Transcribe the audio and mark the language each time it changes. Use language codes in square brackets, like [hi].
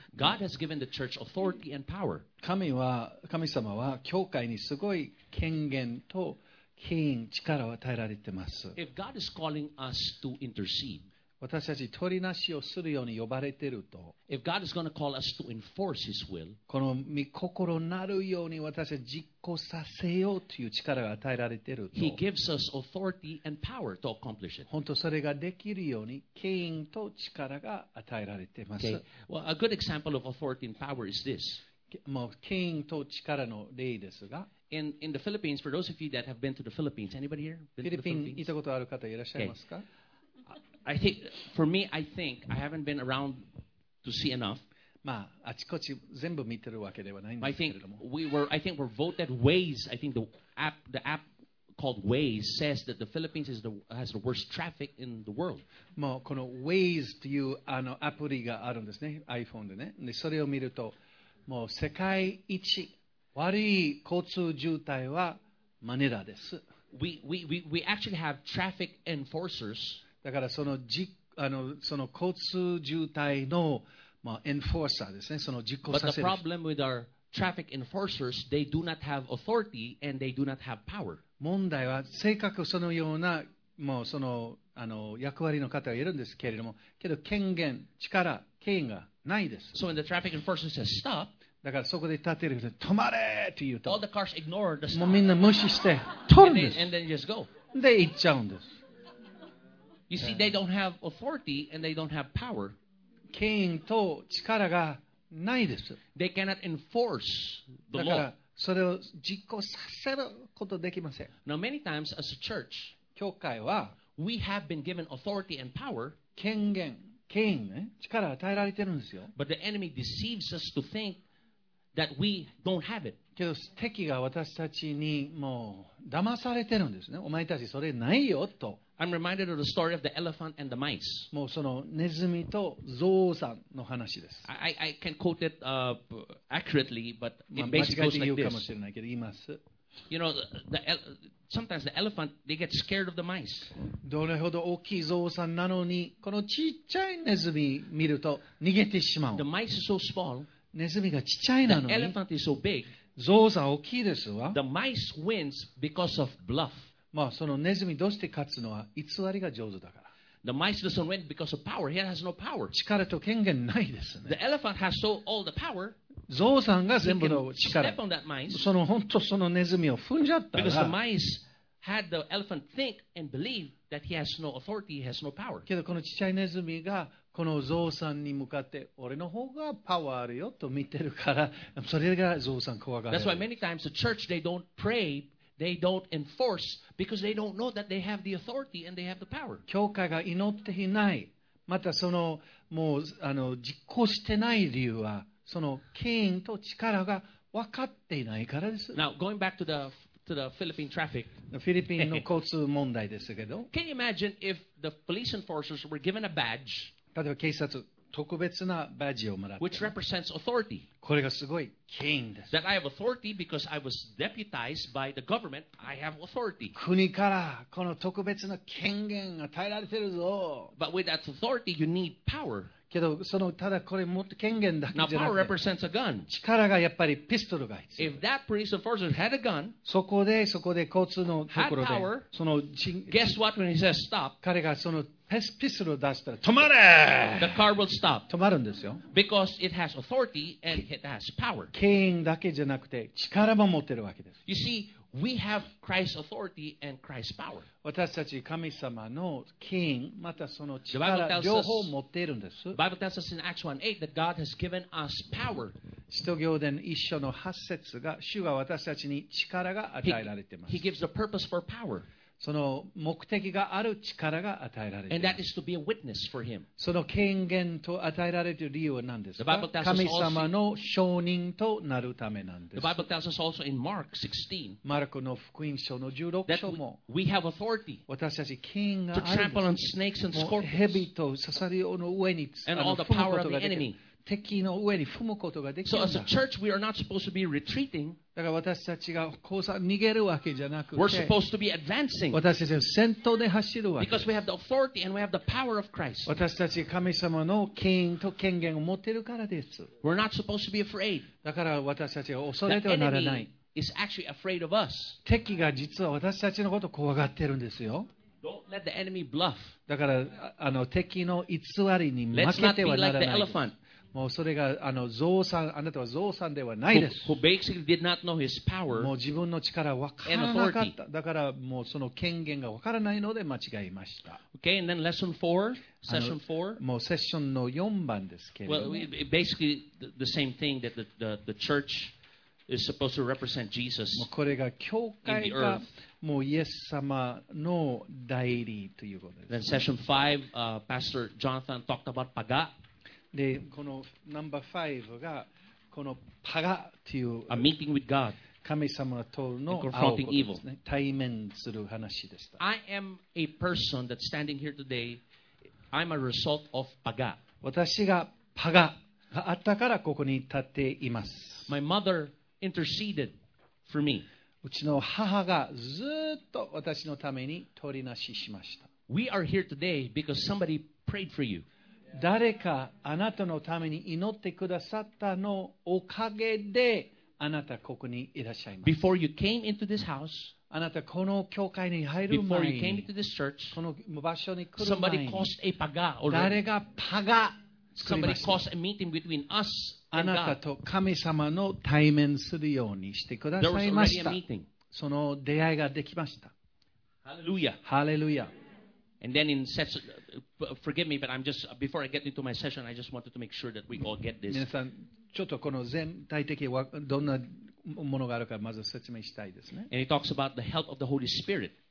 [en] God has given the church authority and power. [ja] 神様は教会にすごい権限と権威、力を与えられてます。 [en] If God is calling us to intercede. [ja] 私たち取りなしをするように呼ばれていると、 [en] If God is going to call us to enforce His will, [ja] この御心なるように私たち実行させようという力が与えられていると、 [en] He gives us authority and power to accomplish it. [ja] 本当それができるように権威と力が与えられています。 [en] Okay. Well, a good example of authority and power is this. [ja] もう権威と力の例ですが、 [en] In the Philippines, for those of you that have been to the Philippines, anybody here? [ja] フィリピン行ったことある方いらっしゃいますか？ [en] Okay. I think, for me, I think, I haven't been around to see enough. [ja] まあ、あちこち全部見てるわけではないんですけれども。 [en] I think we're voted Waze. I think the app called Waze says that the Philippines has the worst traffic in the world. [ja] もうこの Waze というあのアプリがあるんですね、iPhone でね。で、それを見ると、もう世界一悪い交通渋滞はマニラです。 [en] We actually have traffic enforcers. [ja] だからその交通渋滞の、まあ、エンフォーサーですね、その実行させる。 [en] But the problem with our traffic enforcers, they do not have authority and they do not have power. [ja] 問題は、正確そのような、もうその役割の方がいるんですけれども、けど権限、力、権威がないです。 [en] So when the traffic enforcer says stop, [ja] だからそこで立てる人、止まれって言うと、 [en] all the cars ignore the stop. [ja] もうみんな無視して、止めるんです。 [en] And then just go. [ja] で、行っちゃうんです。 [en] You see, they don't have authority and they don't have power. [ja] 権威と力がないです。 [en] They cannot enforce the law. [ja] だからそれを実行させることできません。 [en] Now, many times as a church, [ja] 教会は、 [en] we have been given authority and power. [ja] 権限、権威ね、力を与えられてるんですよ。 [en] But the enemy deceives us to think that we don't have it. [ja] けど敵が私たちにもう騙されてるんですね。お前たちそれないよと。 [en] I'm reminded of the story of the elephant and the mice. [ja] もうそのネズミとゾウさんの話です。 [en] I can quote it accurately, but it basically goes like this. [ja] 間違えて言うかもしれないけど言います。 [en] You know, sometimes the elephant, they get scared of the mice. [ja] どれほど大きいゾウさんなのに、このちっちゃいネズミ見ると逃げてしまう。 [en] The mice is so small. [ja] ネズミがちっちゃいなのに。 [en] The elephant is so big. [ja] ゾウさん大きいですわ。 [en] The mice wins because of bluff. [ja] まあ、そのネズミどうして勝つのは偽りが上手だから。 [en] The mice doesn't win because of power. He has no power. [ja] 力と権限ないですね。 [en] The elephant has so all the power. [ja] ゾウさんが全部の力。 [en] Step on that mice. [ja] その本当そのネズミを踏んじゃったら。 [en] Because the mice had the elephant think and believe that he has no authority, he has no power. [ja] けどこのちっちゃいネズミがこのゾウさんに向かって俺の方がパワーあるよと見てるから、それがゾウさん怖がる。 [en] That's why many times the church they don't pray. They don't enforce because they don't know that they have the authority and they have the power. [ja] 教会が祈っていない、またそのもうあの実行してない理由は、その権威と力が分かっていないからです。 [en] Now, going back to the Philippine traffic. [ja] フィリピンの交通問題ですけど。 [en] Can you imagine if the police enforcers were given a badge? [ja] 例えば警察、特別なバッジをもらって。 [en] Which represents authority. [ja] これがすごい権威です。 [en] That I have authority because I was deputized by the government, I have authority. [ja] 国からこの特別な権限が与えられてるぞ。 [en] But with that authority, you need power. [ja] けど、そのただこれ持って権限だけじゃなくて。 [en] Now power represents a gun. [ja] 力がやっぱりピストルが必要。 [en] If that police enforcer had a gun, [ja] そこで交通のところで、 [en] had power, [ja] その [en] guess what when he says stop? [ja] 彼がそのピストルを出したら止まれ。 [en] The car will stop. [ja] 止まるんですよ。 [en] Because it has authority and it has power. [ja] 権威だけじゃなくて力も持ってるわけです。 [en] You see, We have Christ's authority and Christ's power. [ja] 私たち神様の権威またその力両方持っているんです。 [en] The Bible tells us in Acts 1:8 that God has given us power. [ja] 使徒行伝一章の八節が主が私たちに力が与えられています。 [en] He gives a purpose for power. [ja] その目的がある力が与えられている。その権限と与えられている理由は何ですか？神様の証人となるためなんです。 [en] The Bible tells us also in Mark 16, [ja] マルコの福音書の16章も、 [en] we have authority [ja] 私たち権があるんです。 [en] To trample on snakes and scorpions, 蛇 [ja] と刺さりの上に、 [en] and all the power of the enemy. [ja] 敵の上に踏むことができるんだ。 [en] So as a church, we are not supposed to be retreating. [ja] だから私たちがこうさ逃げるわけじゃなくて、 [en] we're supposed to be advancing. [ja] 私たちは先頭で走るわけ。 [en] Because we have the authority and we have the power of Christ. [ja] 私たち神様の権威と権限を持ってるからです。 [en] We're not supposed to be afraid. [ja] だから私たちが恐れてはならない。 [en] The enemy is actually afraid of us. [ja] 敵が実は私たちのことを怖がってるんですよ。 [en] Don't let the enemy bluff. [ja] だからあの敵の偽りに負けてはならない。 [en] Let's not be like the elephant. [ja] もうそれがあのゾウさん、あなたはゾウさんではないです。 [en] Who basically did not know his power [ja] もう自分の力は分からなかった。だからもうその権限が分からないので間違いました。 [en] Okay, and then lesson four, session four. [ja] もうセッションの4番ですけれども。 [en] Well, basically the same thing that the church is supposed to represent Jesus. [ja] もうこれが教会がもうイエス様の代理ということです。 [en] Then session five, Pastor Jonathan talked about Paga. [ja] でこのナンバー5がこのパガという [en] A meeting with God. [ja] 神様との会うことですね。対面する話でした。 [en] I am a person that's standing here today. I'm a result of Paga. [ja] 私がパガがあったからここに立っています。 [en] My mother interceded for me. [ja] うちの母がずっと私のために取りなししました。 [en] We are here today because somebody prayed for you. [ja] 誰かあなたのために祈ってくださったのおかげであなたここにいらっしゃいます。 [en] Before you came into this house, [ja] あなたこの教会に入る前に、 [en] Before you came into this church, [ja] この場所に来る前に、 [en] Somebody caused a paga [ja] or 誰がパガ [en] Somebody caused a meeting between us and God. [ja] あなたと神様の対面するようにしてくださいました。 There was already a meeting. その出会いができました。 [en] Hallelujah. Hallelujah. And then in sets, forgive me, but I'm just, before I get into my session, I just wanted to make sure that we all get this. [ja] 皆さん、ちょっとこの全体的にどんなものがあるかまず説明したいですね。 [en] And he talks about the help of the Holy Spirit.